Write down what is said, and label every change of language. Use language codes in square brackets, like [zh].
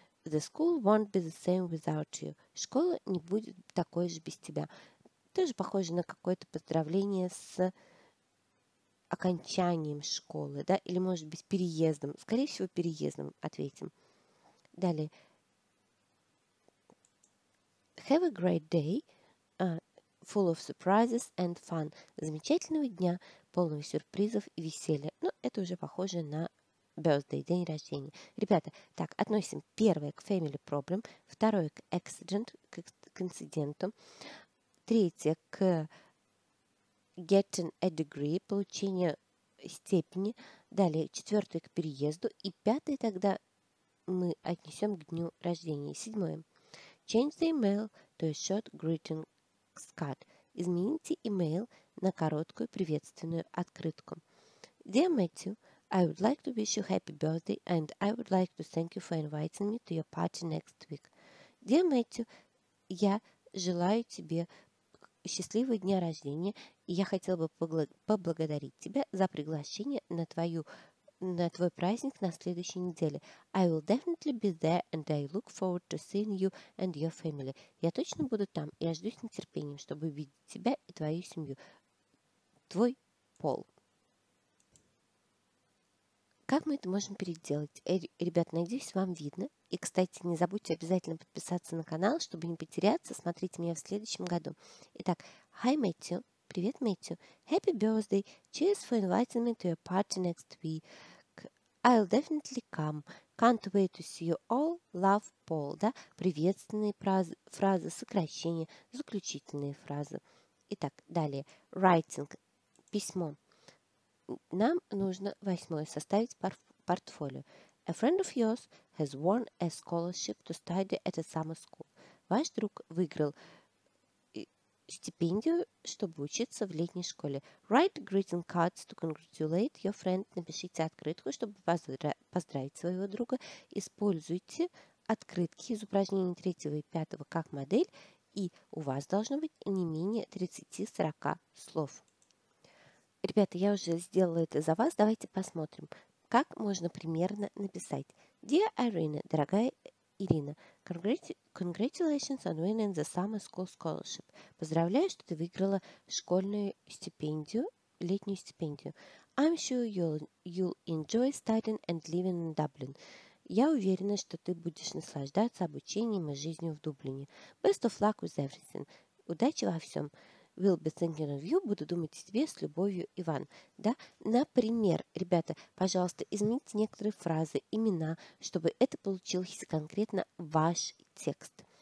[en] The school won't be the same without you. [ru] Школа не будет такой же без тебя. Тоже похоже на какое-то поздравление с окончанием школы, да? Или, может быть, переездом. Скорее всего, переездом ответим. Далее. [en] Have a great day. Full of surprises and fun. [ru] Замечательного дня, полного сюрпризов и веселья. Ну, это уже похоже на birthday, день рождения. Ребята, так, относим первое к family problem, второе к accident, к инциденту, третье к [en] getting a degree, [ru] получение степени, далее четвертое к переезду, и пятое тогда мы отнесем к дню рождения. Седьмое. [en] Change the email to a short greeting card. [ru] Измените email на короткую приветственную открытку. [en] Dear Matthew, I would like to wish you happy birthday and I would like to thank you for inviting me to your party next week. Dear Matthew, [ru] я желаю тебе счастливого дня рождения, и я хотела бы поблагодарить тебя за приглашение на твой праздник на следующей неделе. [en] I will definitely be there and I look forward to seeing you and your family. [ru] Я точно буду там, и я жду с нетерпением, чтобы видеть тебя и твою семью. Твой Пол. Как мы это можем переделать? Ребят, надеюсь, вам видно. И, кстати, не забудьте обязательно подписаться на канал, чтобы не потеряться. Смотрите меня в следующем году. Итак, [en] hi, Matthew. [ru] Привет, [en] Matthew. Happy birthday. Cheers for inviting me to your party next week. I'll definitely come. Can't wait to see you all. Love, Paul. [ru] Да? Приветственные фразы, сокращения, заключительные фразы. Итак, далее. [en] Writing. [ru] Письмо. Нам нужно восьмое составить портфолио. [en] A friend of yours has won a scholarship to study at a summer school. [ru] Ваш друг выиграл стипендию, чтобы учиться в летней школе. [en] Write greeting cards to congratulate your friend. [ru] Напишите открытку, чтобы поздравить своего друга. Используйте открытки из упражнений 3 и 5 как модель. И у вас должно быть не менее 30-40 слов. Ребята, я уже сделала это за вас. Давайте посмотрим, как можно примерно написать. [en] Dear Irina, [ru] дорогая Ирина, [en] congratulations on winning the summer school scholarship. [ru] Поздравляю, что ты выиграла школьную стипендию, летнюю стипендию. [en] I'm sure you'll enjoy studying and living in Dublin. [ru] Я уверена, что ты будешь наслаждаться обучением и жизнью в Дублине. [en] Best of luck with everything. [ru] Удачи во всем. [en] Will be thinking of you, [ru] буду думать о тебе с любовью, Иван. Да? Например, ребята, пожалуйста, измените некоторые фразы, имена, чтобы это получилось конкретно ваш текст.